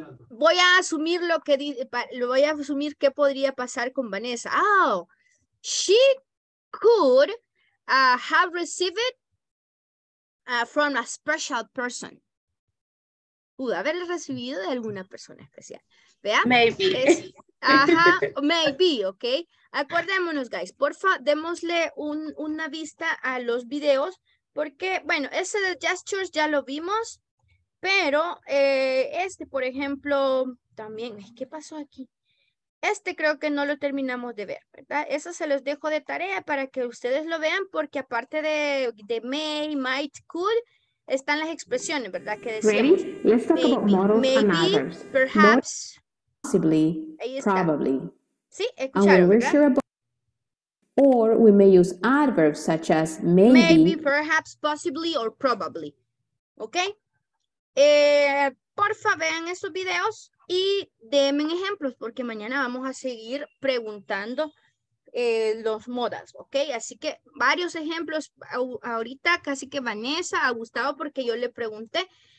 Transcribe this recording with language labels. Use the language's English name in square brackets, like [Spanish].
[Spanish] Voy a asumir lo que voy a asumir qué podría pasar con Vanessa. [English] Oh, she could have received from a special person. [Spanish] Pudo haberla recibido de alguna persona especial. Vea. [English] Maybe. [Spanish] Ajá, maybe, ok. Acordémonos, guys, porfa, démosle una vista a los videos, porque, bueno, ese de gestures ya lo vimos, pero este, por ejemplo, también, ¿qué pasó aquí? Este creo que no lo terminamos de ver, ¿verdad? Eso se los dejo de tarea para que ustedes lo vean, porque aparte de may, might, could, están las expresiones, ¿verdad? Que decíamos, [English] ready? Let's talk maybe, about models maybe, and others. Perhaps. Possibly, probably. [Spanish] Sí, escucharon, [English] we're sure about, or we may use adverbs such as maybe, perhaps, possibly, or probably. Okay? [Spanish] porfa, vean esos videos y denme ejemplos, porque mañana vamos a seguir preguntando los modas, ¿ok? Así que varios ejemplos. Ahorita casi que Vanessa ha gustado porque yo le pregunté.